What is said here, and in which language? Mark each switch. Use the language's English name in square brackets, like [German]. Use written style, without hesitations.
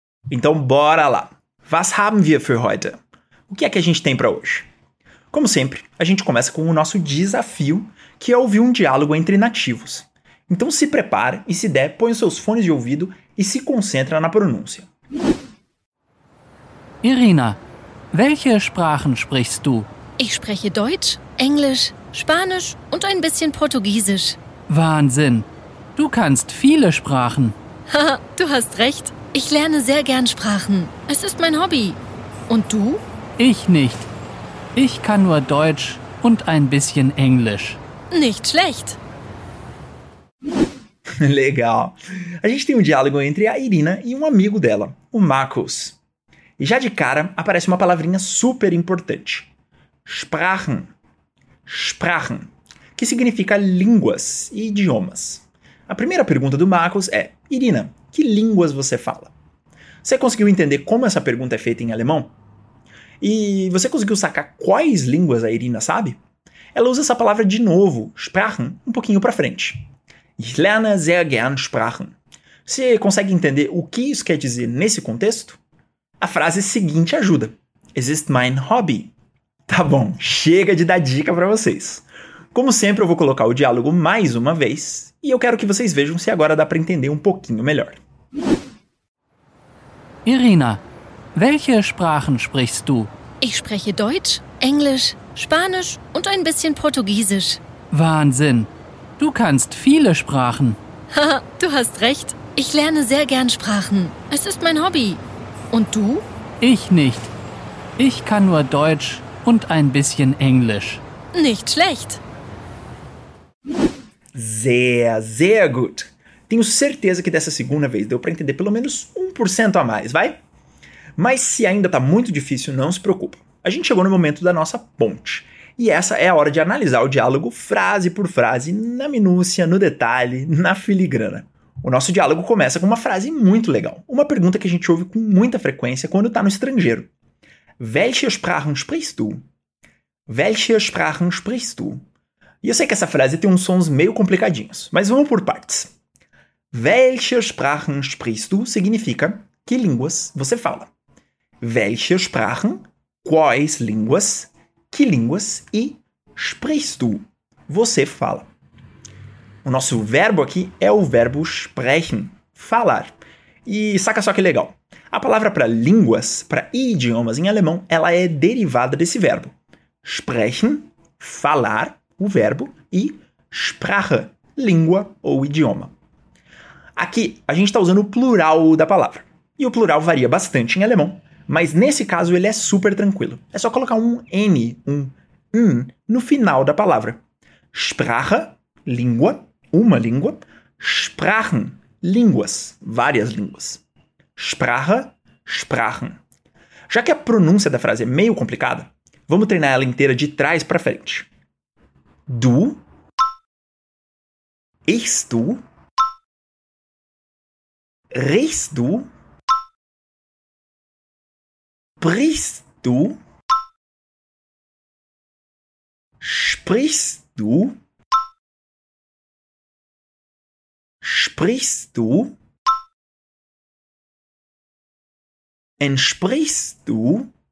[Portuguese] Então bora lá! [German] Was haben wir für heute? [Portuguese] O que é que a gente tem para hoje? Como sempre, a gente começa com o nosso desafio, que é ouvir um diálogo entre nativos. Então se prepara e se der, põe os seus fones de ouvido e se concentra na pronúncia. [German] Irina, welche Sprachen sprichst du? Ich spreche Deutsch, Englisch, Spanisch und ein bisschen Portugiesisch. Wahnsinn! Du kannst viele Sprachen. Haha, du hast recht. Ich lerne sehr gern Sprachen. Es ist mein Hobby. Und du? Ich nicht. Ich kann nur Deutsch und ein bisschen Englisch. Nicht schlecht. [Portuguese] Legal. A gente tem um diálogo entre a Irina e um amigo dela, o Markus. E já de cara aparece uma palavrinha super importante. Sprachen. Sprachen. Que significa línguas e idiomas. A primeira pergunta do Markus é: Irina, que línguas você fala? Você conseguiu entender como essa pergunta é feita em alemão? E você conseguiu sacar quais línguas a Irina sabe? Ela usa essa palavra de novo, Sprachen, um pouquinho pra frente. [German] Ich lerne sehr gern Sprachen. [Portuguese] Você consegue entender o que isso quer dizer nesse contexto? A frase seguinte ajuda. [German] Es ist mein Hobby. [Portuguese] Tá bom, chega de dar dica pra vocês. Como sempre, eu vou colocar o diálogo mais uma vez e eu quero que vocês vejam se agora dá para entender um pouquinho melhor. [German] Irina, welche Sprachen sprichst du? Ich spreche Deutsch, Englisch, Spanisch und ein bisschen Portugiesisch. Wahnsinn! Du kannst viele Sprachen. Haha, du hast recht. Ich lerne sehr gern Sprachen. Es ist mein Hobby. Und du? Ich nicht. Ich kann nur Deutsch und ein bisschen Englisch. Nicht schlecht. Sehr gut. [Portuguese] Tenho certeza que dessa segunda vez deu para entender pelo menos 1% a mais, vai? Mas se ainda tá muito difícil, não se preocupa. A gente chegou no momento da nossa ponte. E essa é a hora de analisar o diálogo frase por frase, na minúcia, no detalhe, na filigrana. O nosso diálogo começa com uma frase muito legal. Uma pergunta que a gente ouve com muita frequência quando tá no estrangeiro. [German] Welche Sprachen sprichst du? Welche Sprachen sprichst du? [Portuguese] E eu sei que essa frase tem uns sons meio complicadinhos, mas vamos por partes. [German] Welche Sprachen sprichst du [Portuguese] significa que línguas você fala. [German] Welche Sprachen, [Portuguese] quais línguas, que línguas e [German] sprichst du, [Portuguese] você fala. O nosso verbo aqui é o verbo sprechen, falar. E saca só que legal. A palavra para línguas, para idiomas em alemão, ela é derivada desse verbo. Sprechen, falar. O verbo e Sprache, língua ou idioma. Aqui, a gente está usando o plural da palavra. E o plural varia bastante em alemão, mas nesse caso ele é super tranquilo. É só colocar um N, um N, no final da palavra. Sprache, língua, uma língua. Sprachen, línguas, várias línguas. Sprache, Sprachen. Já que a pronúncia da frase é meio complicada, vamos treinar ela inteira de trás para frente. [German] Du, ichst du, riechst du, brichst du, sprichst du, sprichst du, entsprichst du.